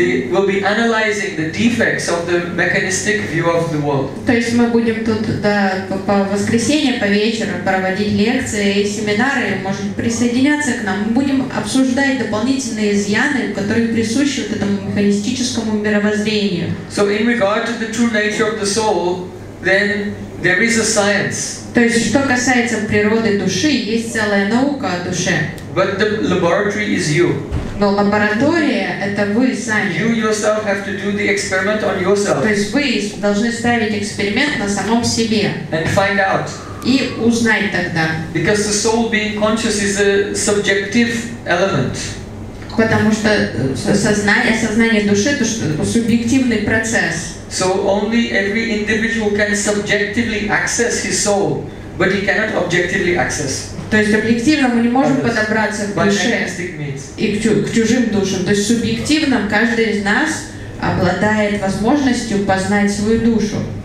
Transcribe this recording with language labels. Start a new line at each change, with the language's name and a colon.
English: We'll be analyzing the defects of the mechanistic view of the world.
Russian: То есть мы будем тут по воскресенье по вечеру проводить лекции и семинары. Может присоединяться к нам. Мы будем обсуждать дополнительные изъяны, которые присущи вот этому механистическому мировоззрению.
English: So in regard to the true nature of the soul, then there is a science.
Russian: То есть, что касается природы души, есть целая наука о душе.
English: But the laboratory is you.
Russian: Но лаборатория — это вы сами.
English: You yourself have to do the experiment on yourself.
Russian: То есть, вы должны ставить эксперимент на самом себе.
English: And find out.
Russian: И узнать тогда.
English: Because the soul being conscious is a subjective element.
Russian: Потому что сознание души — это субъективный процесс.
English: So only every individual can subjectively access his soul, but he cannot objectively access.
Russian: То есть объективно мы не можем подобраться к душе и к чужим душам. То есть субъективно каждый из нас обладает возможностью познать свою душу.